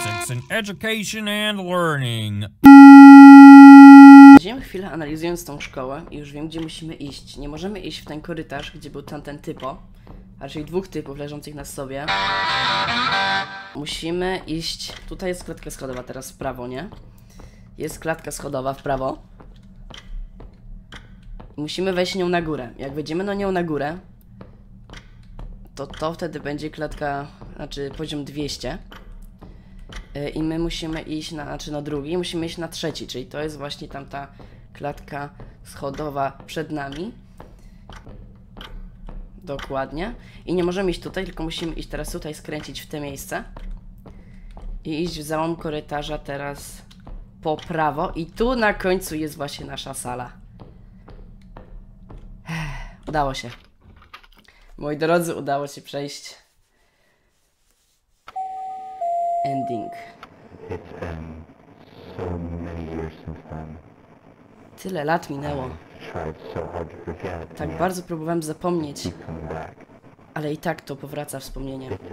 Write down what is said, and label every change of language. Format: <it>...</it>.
<en>And education and learning.</en> <pl>Siedziałem chwilę analizując tą szkołę i już wiem, gdzie musimy iść. Nie możemy iść w ten korytarz, gdzie był tamten typo, a raczej dwóch typów leżących na sobie. Musimy iść. Tutaj jest klatka schodowa, teraz w prawo, nie? Jest klatka schodowa w prawo. Musimy wejść nią na górę. Jak wejdziemy na nią na górę, to wtedy będzie klatka, znaczy poziom 200. I my musimy iść na, znaczy na drugi, musimy iść na trzeci, czyli to jest właśnie tamta klatka schodowa przed nami. Dokładnie. I nie możemy iść tutaj, tylko musimy iść teraz tutaj, skręcić w te miejsce. I iść w załom korytarza teraz po prawo. I tu na końcu jest właśnie nasza sala. Udało się. Moi drodzy, udało się przejść.</pl> <en>Ending. It's been so many years since then.</en> <pl>Tyle lat minęło.</pl> <en>Tried so hard to forget,</en> <pl>tak bardzo próbowałem zapomnieć. Ale i tak to powraca wspomnienie.</pl>